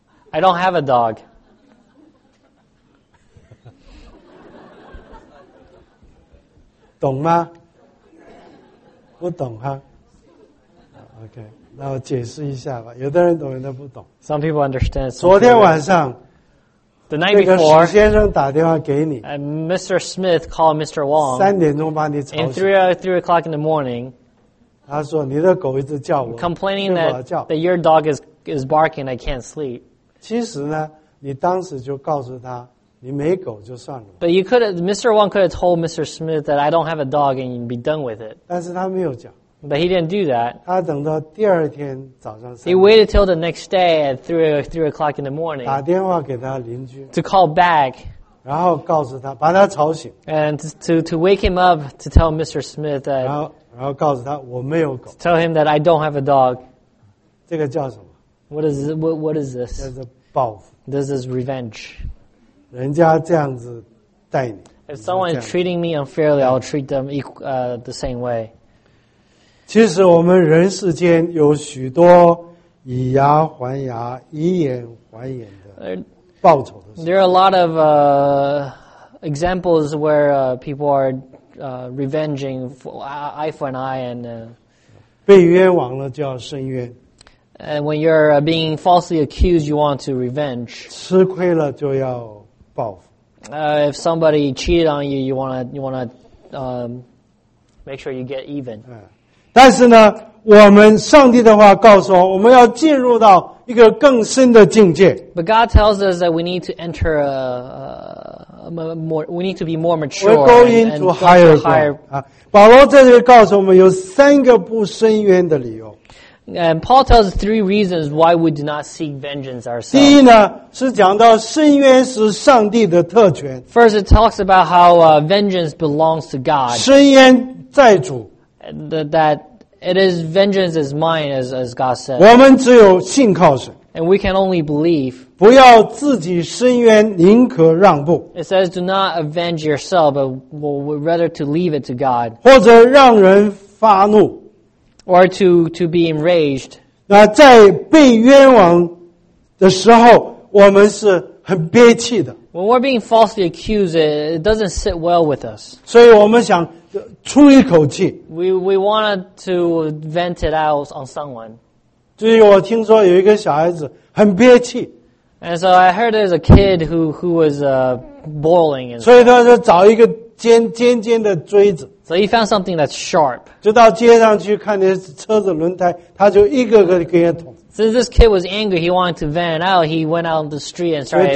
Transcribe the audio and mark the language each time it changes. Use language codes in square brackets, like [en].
[en] I don't have a dog. [zh] 懂吗？不懂哈。OK， 那我解释一下吧。有的人懂，有的人不懂。 [en] Some people understand. [zh] 昨天晚上 [en] ，The night before， [zh] 那个史先生打电话给你 [en] ，And Mr. Smith called Mr. Wong。 [zh] 三点钟把你吵醒。 [en] In three o'clock in the morning， [zh] 他说你的狗一直叫我 [en] ，Complaining that your dog is barking, I can't sleep。 [zh] 其实呢，你当时就告诉他。你没狗就算了。 [en] But you could have, Mr. Wang could have told Mr. Smith that I don't have a dog and you'd be done with it. [zh] 但是他没有讲。 [en] But he didn't do that. [zh] 他等到第二天早上 3点。 [en] He waited till the next day at 3 o'clock in the morning. [zh] 打电话给他邻居。 [en] To call back. [zh] 然后告诉他，把他吵醒。 [en] And to wake him up to tell Mr. Smith that. [zh] 然后告诉他我没有狗。 [en] To tell him that I don't have a dog. [zh] 这个叫什么？ [en] What is this? [zh] 叫做报复。 [en] This is revenge. [zh] 人家这样子待你。 [en] If someone is treating me unfairly, I'll treat them the same way. [zh] 其实我们人世间有许多以牙还牙、以眼还眼的报仇的事。 [en] There are a lot of examples where people are revenging eye for an eye and [zh] 被冤枉了就要伸冤。 [en] And when you're being falsely accused, you want to revenge. [zh] 吃亏了就要 [en] If somebody cheated on you, you want to make sure you get even. [zh] 但是呢，我们上帝的话告诉我们要进入到一个更深的境界。 [en] But God tells us that we need to enter more. We need to be more mature. We're going to higher ground. [zh] 保罗在这里告诉我们有三个不伸冤的理由。 [en] And Paul tells us three reasons why we do not seek vengeance ourselves. [zh] 第一呢，是讲到伸冤是上帝的特权。 [en] First, it talks about how vengeance belongs to God. [zh] 伸冤在主。 [en] That it is vengeance is mine, as God said. [zh] 我们只有信靠神。 [en] And we can only believe. [zh] 不要自己伸冤，宁可让步。 [en] It says, do not avenge yourself, but would rather to leave it to God. [zh] 或者让人发怒。 [en] Or to be enraged. [zh] 那在被冤枉的时候，我们是很憋气的。 [en] When we're being falsely accused, it doesn't sit well with us. [zh] 所以我们想出一口气。 [en] We wanted to vent it out on someone. [zh] 所以我听说有一个小孩子很憋气。 [en] And so I heard there's a kid who was boiling. [zh] 所以他就找一个尖的锥子。 [en] So he found something that's sharp. [zh] 就到街上去看那车子轮胎，他就一个个给人捅。 [en] Since this kid was angry, he wanted to vent out. He went out on the street and started.